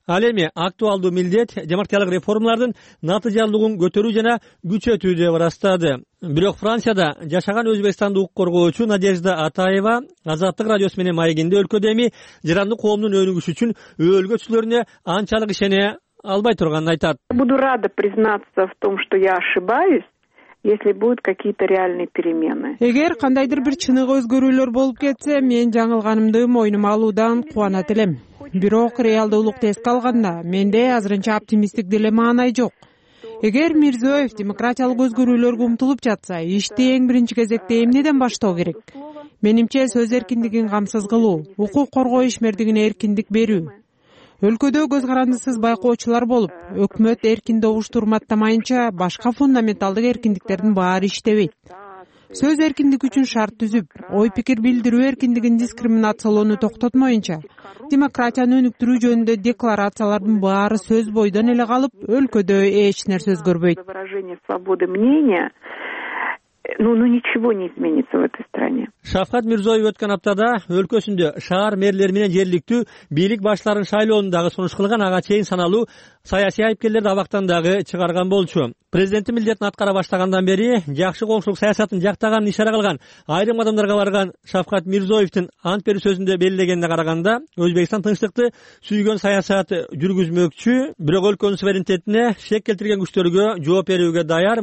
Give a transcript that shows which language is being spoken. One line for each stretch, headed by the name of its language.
Kyrgyz: Ал эми актуалдуу милдет демократиялык реформалардын натыйжалуугун көтөрүү жана күчөтүү деп ырастады. Бирок Францияда жашаган Өзбекстанды укук коргоочу Надежда Атаева Азаттык радиосу менен маегинде өлкөдө эми жарандык коомдун өнүгүшү үчүн өлгөчүлөрүнө анчалык ишене албай турганын айтат.
Russian: Буду рада признаться в том, что я ошибаюсь. Если будут какие-то реальные перемены.
Kyrgyz: Эгер кандайдыр бир чыныгы өзгөрүүлөр болуп кетсе, мен жаңылганымды мойнума алуудан кубанат элем. Бирок реалдуулукту эске алганда, менде азырынча оптимисттик деле маанай жок. Эгер Мирзоев демократиялык өзгөрүүлөргө умтулуп жатса, ишти эң биринчи кезекте эмнеден баштоо керек? Менимче, сөз эркиндигин камсыз кылуу, укук коргоо ишмердигине эркиндик берүү. Өлкөдө көз карандысыз байкоочулар болуп, өкмөт эркин добуштурматтамайынча башка фундаменталдык эркиндиктердин баары иштебейт. Сөз эркиндиги үчүн шарт түзүп, ой пикир билдирүү эркиндигин дискриминациялоону токтотмоюнча, демократияны өнүктүрүү жөнүндө декларациялардын баары сөз бойдон эле калып, өлкөдө эч нерсе өзгөрбөйт.
Russian: Ничего не изменится в этой стране.
Kyrgyz: Шавкат Мирзоев өткөн аптада өлкөсүндө шаар мэрлери менен жергиликтүү бийлик башчыларын шайлоону дагы сунуш кылган, ага чейин саналуу саясий айыпкерлерди абактан дагы чыгарган болчу. Президенттин милдетин аткара баштагандан бери жакшы коомчулук саясатын жактаганын ишара кылган айрым адамдарга барган Шавкат Мирзоевдин ант берүү сөзүндө белгилегенине караганда, Өзбекстан тынчтыкты сүйгөн саясат жүргүзмөкчү, бирок өлкөнүн суверенитетине шек келтирген күчтөргө жооп берүүгө даяр.